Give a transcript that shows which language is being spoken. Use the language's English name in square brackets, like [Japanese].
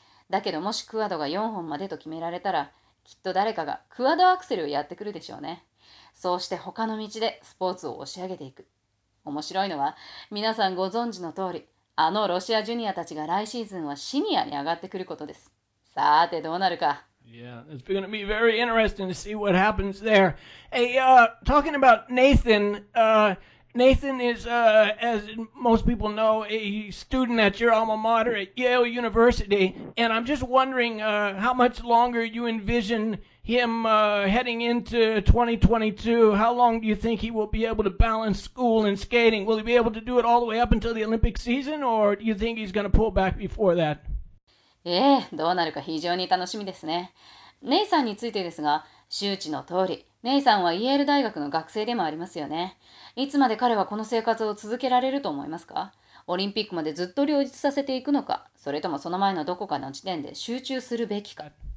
[Japanese] だけどもしクワドが4本までと決められたら、きっと誰かがクワドアクセルをやってくるでしょうね。そうして他の道でスポーツを押し上げていく。面白いのは、皆さんご存知の通り、あのロシアジュニアたちが来シーズンはシニアに上がってくることです。さーてどうなるか。 [English] Yeah, it's going to be very interesting to see what happens there. Hey, talking about Nathan, Nathan is, as most people know, a student at your alma mater at Yale University, and I'm just wondering how much longer you envision him heading into 2022. How long do you think he will be able to balance school and skating? Will he be able to do it all the way up until the Olympic season, or do you think he's going to pull back before that? [Japanese] どうなるか非常に楽しみですね。ネイさんについてですが、周知の通り、ネイさんはイェール大学の学生でもありますよね。いつまで彼はこの生活を続けられると思いますか？オリンピックまでずっと両立させていくのか、それともその前のどこかの時点で集中するべきか。